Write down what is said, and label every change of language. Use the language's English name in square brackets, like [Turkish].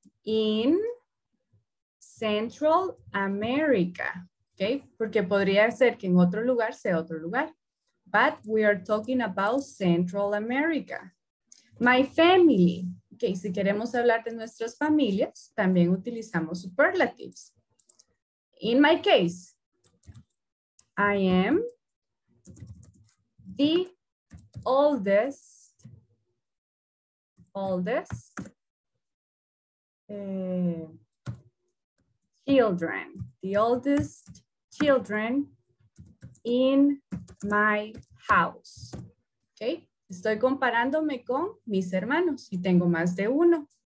[English] In Central America. Okay? [Spanish] Porque podría ser que en otro lugar sea otro lugar. [English] But we are talking about Central America. My family. [Spanish] Okay, si queremos hablar de nuestras familias, también utilizamos superlatives. [English] In my case, I am the oldest children, the oldest children in my house. [Spanish] Okay, estoy comparándome con mis hermanos y tengo más de uno.